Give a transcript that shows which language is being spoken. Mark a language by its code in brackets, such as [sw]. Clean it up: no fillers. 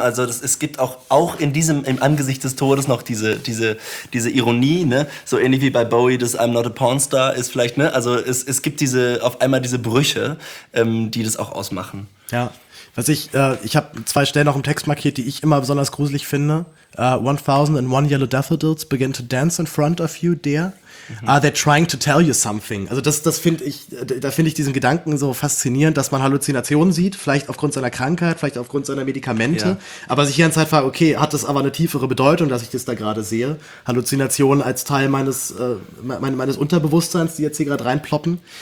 [de] Also, es gibt auch in diesem, im Angesicht des Todes noch diese Ironie, ne? So ähnlich wie bei Bowie, das [en] I'm not a porn star [de] ist vielleicht, ne? Also, es gibt diese, auf einmal diese Brüche, die das auch ausmachen. Ja. Was ich habe zwei Stellen noch im Text markiert, die ich immer besonders gruselig finde. [en] 1001 yellow daffodils begin to dance in front of you, dear. They're trying to tell you something. [de] Also das finde ich, da finde ich diesen Gedanken so faszinierend, dass man Halluzinationen sieht, vielleicht aufgrund seiner Krankheit, vielleicht aufgrund seiner Medikamente. Ja. Aber sich hier ganze Zeit fragt, okay, hat das aber eine tiefere Bedeutung, dass ich das da gerade sehe? Halluzinationen als Teil meines Unterbewusstseins, die jetzt hier gerade reinploppen.